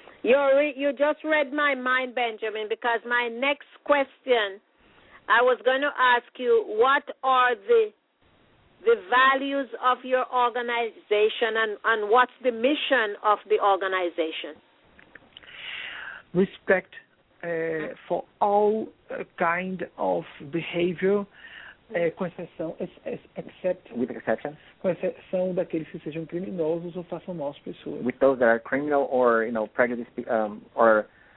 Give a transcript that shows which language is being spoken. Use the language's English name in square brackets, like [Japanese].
[English] You just read my mind, Benjamin, because my next question, I was going to ask you, what are the values of your organization and what's the mission of the organization? Respect for all kind of behavior, [Portuguese] com exceção daqueles que sejam criminosos ou façam mal às pessoas. [English] With those that are criminal or prejudice or